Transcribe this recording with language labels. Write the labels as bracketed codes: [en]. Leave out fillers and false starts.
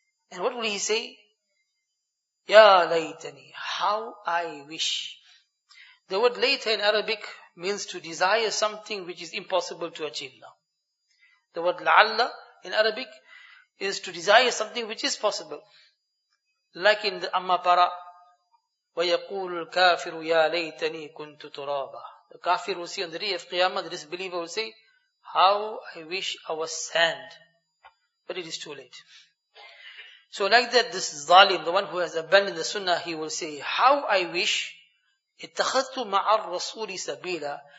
[en] And what will he say? Ya laytani, how I wish. The word layta in Arabic means to desire something which is impossible to achieve now. The word la'alla in Arabic is to desire something which is possible. Like in the Amma Para, [ar] وَيَقُولُ الْكَافِرُ يَا لَيْتَنِي كُنْتُ تُرَابًا. [en] The kafir will see on the day of Qiyamah, the disbeliever will say, how I wish I was sand. But it is too late. So like that, this zalim, the one who has abandoned the sunnah, he will say, how I wish, [ar] اتخذتُ مَعَ الرَّسُولِ سَبِيلًا.